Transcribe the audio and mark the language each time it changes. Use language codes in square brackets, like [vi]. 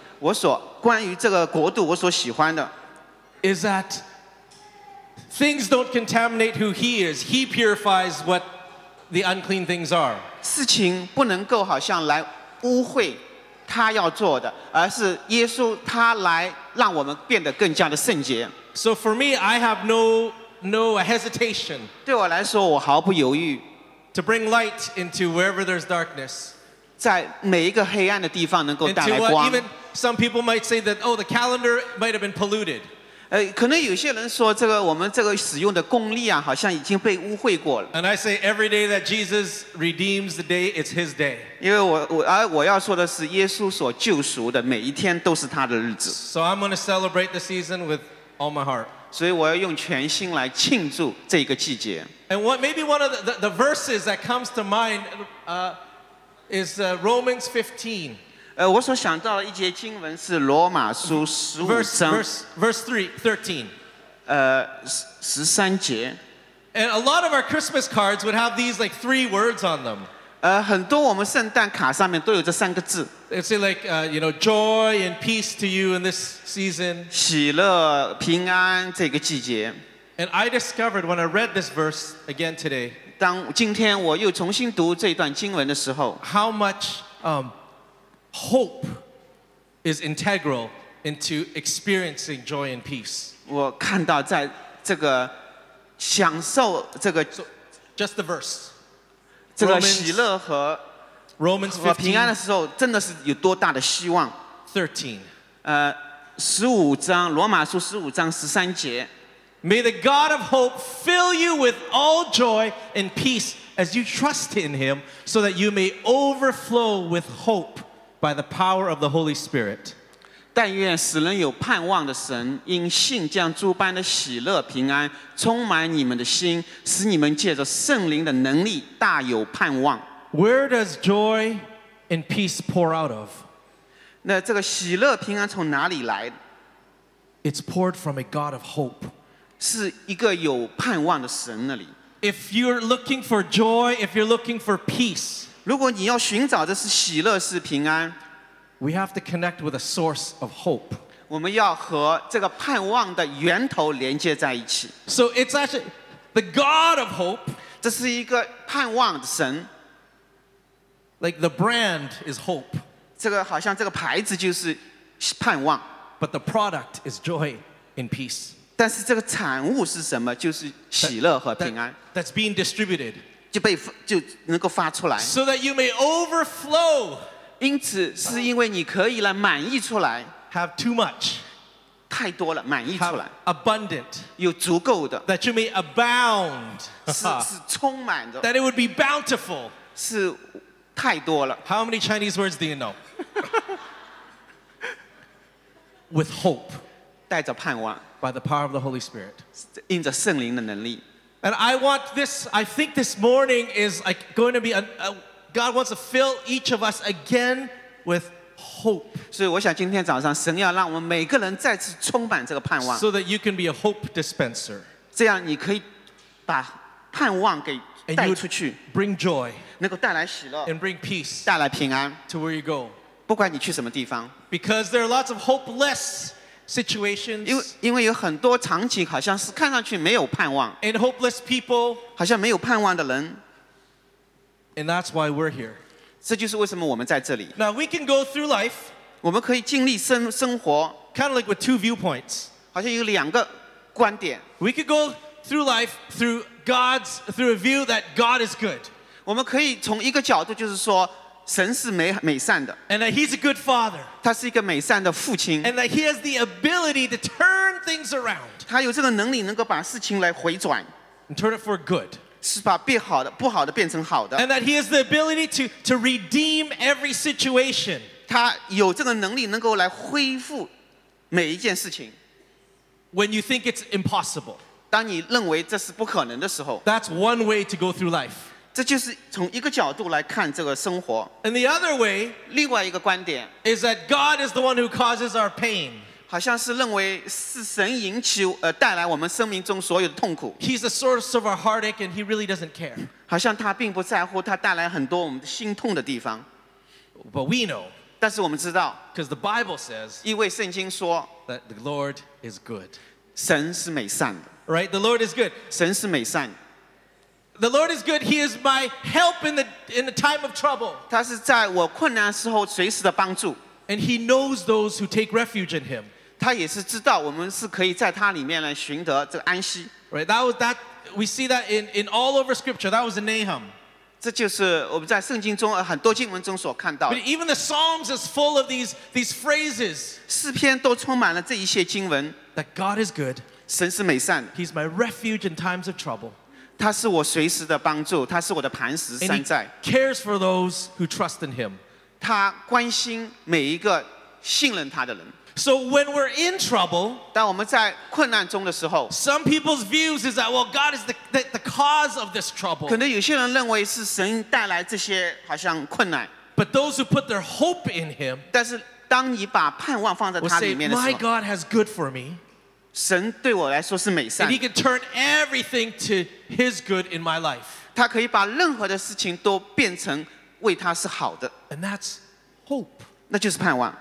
[zh] 我所关于这个国度我所喜欢的 [en] is that things don't contaminate who he is. He purifies what the unclean things are. [zh] 事情不能够好像来污秽他要做的，而是耶稣他来让我们变得更加的圣洁。 [en] So for me, I have no hesitation. [zh] 对我来说，我毫不犹豫。 [en] To bring light into wherever there's darkness. [zh] 在每一个黑暗的地方能够带来光。 [en] Into what even some people might say that the calendar might have been polluted. [zh] 可能有些人说这个我们这个使用的公历啊，好像已经被污秽过了。 [en] And I say every day that Jesus redeems the day, it's His day. [zh] 因为我要说的是，耶稣所救赎的每一天都是他的日子。 [en] So I'm going to celebrate the season with all my heart. [zh] 所以我要用全心来庆祝这个季节。 [en] And what maybe one of the verses that comes to mind is Romans 15. [zh] 我所想到的一节经文是罗马书十五章 [en] verse 13节 And a lot of our Christmas cards would have these like three words on them. [zh] 很多我们圣诞卡上面都有这三个字 [en] They say like, joy and peace to you in this season. [zh] 喜乐平安这个季节 [en] And I discovered when I read this verse again today. [zh] 当今天我又重新读这段经文的时候 [en] How much, hope is integral into experiencing joy and peace. [zh] 我看到在这个享受这个 [en] so, just the verse. [zh] 这个喜乐和 [en] Romans 15, [zh] 和平安的时候，真的是有多大的希望？13. 十五章罗马书十五章十三节。 [en] May the God of hope fill you with all joy and peace as you trust in Him, so that you may overflow with hope. By the power of the Holy Spirit. [zh] 但愿使人有盼望的神，因信将诸般的喜乐平安充满你们的心，使你们借着圣灵的能力大有盼望。 [en] Where does joy and peace pour out of? [zh] 那这个喜乐平安从哪里来？ [en] It's poured from a God of hope. [zh] 是一个有盼望的神那里。 [en] If you're looking for joy, if you're looking for peace. [zh] 如果你要寻找的是喜乐是平安 [en] We have to connect with a source of hope. [zh] 我们要和这个盼望的源头连接在一起 [en] So it's actually the God of hope. [zh] 这是一个盼望的神 [en] Like the brand is hope. [zh] 这个好像这个牌子就是盼望 [en] But the product is joy and peace. [zh] 但是这个产物是什么就是喜乐和平安 [en] That's being distributed. [zh] 就能够发出来 [en] so that you may overflow [zh] 因此是因为你可以来满溢出来 [en] Have too much [zh] 太多了满溢出来 [en] Have abundant [zh] 有足够的 [en] That you may abound [zh] 是充满的 [en] That it would be bountiful [zh] 是太多了 [en] How many Chinese words do you know? With hope [zh] 带着盼望 [en] By the power of the Holy Spirit [zh] 因着圣灵的能力 [en] And I want this, I think this morning is like going to be, God wants to fill each of us again with hope. [zh] 所以我想今天早上神要让我们每个人再次充满这个盼望。 [en] So that you can be a hope dispenser. [zh] 这样你可以把盼望给带出去。 [en] Bring joy. [zh] 能够带来喜乐。 [en] And bring peace. [zh] 带来平安。 [en] To where you go. [zh] 不管你去什么地方。 [en] Because there are lots of hopeless situations [zh] 因为有很多场景好像是看上去没有盼望 [en] and hopeless people [zh] 好像没有盼望的人 [en] and that's why we're here [zh] 这就是为什么我们在这里 [en] now we can go through life [zh] 我们可以经历生活 [en] kind of like with two viewpoints [zh] 好像有两个观点 [en] we could go through life through a view that God is good [zh] 我们可以从一个角度就是说神是美善的 [en] and that he's a good father [zh] 他是一个美善的父亲 [en] and that he has the ability to turn things around [zh] 他有这个能力能够把事情来回转 [en] and turn it for good [zh] 是把不好的变成好的 [en] and that he has the ability to redeem every situation [zh] 他有这个能力能够来恢复每一件事情 [en] when you think it's impossible [zh] 当你认为这是不可能的时候 [en] that's one way to go through life [zh] 这就是从一个角度来看这个生活。 [en] And the other way, [zh] 另外一个观点 [en] is that God is the one who causes our pain. [zh] 好像是认为是神引起带来我们生命中所有的痛苦。 [en] He's the source of our heartache, and he really doesn't care. [zh] 好像他并不在乎他带来很多我们心痛的地方。 [en] But we know, [zh] 但是我们知道 [en] because the Bible says, [zh] 因为圣经说 [en] that the Lord is good. [zh] 神是美善的。 [en] Right, the Lord is good. [zh] 神是美善。 [en] The Lord is good. He is my help in the time of trouble. [zh] 他是在我困难时候随时的帮助。 [en] And he knows those who take refuge in him. [zh] 他也是知道我们是可以在他里面来寻得这个安息。 [en] Right, that we see that in all over Scripture. That was in Nahum. [zh] 这就是我们在圣经中很多经文中所看到。 [en] But even the Psalms is full of these phrases. [zh] 诗篇都充满了这一些经文。 [en] That God is good. [zh] 神是美善的。 [en] He's my refuge in times of trouble. [zh] 他是我随时的帮助，他是我的磐石山寨。 [en] And he cares for those who trust in him. [zh] 他关心每一个信任他的人。 [en] So when we're in trouble, [zh] 当我们在困难中的时候 [en] some people's views is that, well, God is the cause of this trouble. [zh] 可能有些人认为是神带来这些好像困难。 [en] But those who put their hope in him, [zh] 但是当你把盼望放在他里面的时候 [en] will say, my God has good for me. [zh] 神对我来说是美善。 [en] And he can turn everything to his good in my life. [zh] 他可以把任何的事情都变成为他是好的。 [en] And that's hope. [zh] 那就是盼望。